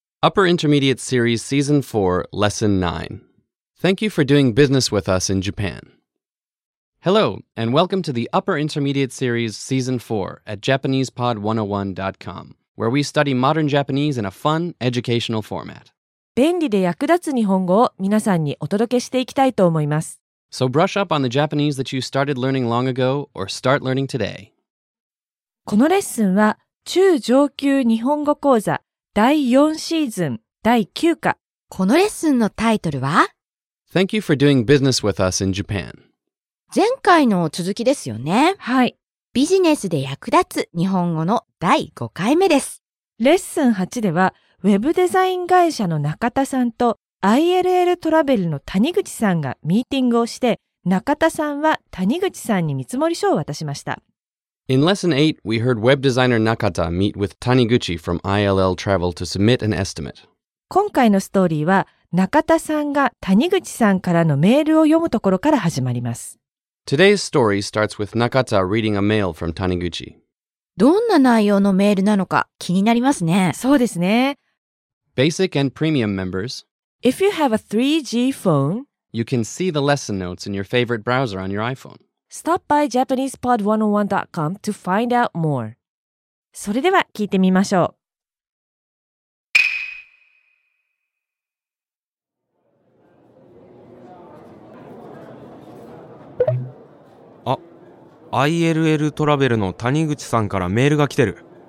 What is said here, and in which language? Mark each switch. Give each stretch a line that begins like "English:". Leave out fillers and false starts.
English: Upper Intermediate Series Season 4, Lesson 9. Thank you for doing business with us in Japan. Hello, and welcome to the Upper Intermediate Series Season 4 at JapanesePod101.com, where we study modern Japanese in a fun, educational format.
Japanese: 便利で役立つ日本語を皆さんにお届けしていきたいと思います。
English: So brush up on the Japanese that you started learning long ago or start learning today.
Japanese: このレッスンは中上級日本語講座第4シーズン第9課。このレッスンのタイトルは
English: Thank you for doing business with us in Japan.
Japanese: 前回の続きですよね。はい。ビジネスで役立つ日本語の第5回目です。レッスン8ではウェブデザイン会社の中田さんと ILL トラベルの谷口さんがミーティングをして、中田さんは谷口さんに見積書を渡しました。
English: In Lesson 8, we heard web designer Nakata meet with Taniguchi from ILL Travel to submit an estimate.
Japanese: 今回のストーリーは、中田さんが谷口さんからのメールを読むところから始まります。
English: Today's story starts with Nakata reading a mail from Taniguchi.
Japanese: どんな内容のメールなのか気になりますね。そうですね。
English: Basic and premium members. If you have a 3G phone, you can see the lesson notes in your favorite browser on your iPhone. Stop by JapanesePod101.com to find out more.
Japanese: それでは聞いてみましょう。あ、ILL トラベルの谷口さんからメールが来てる。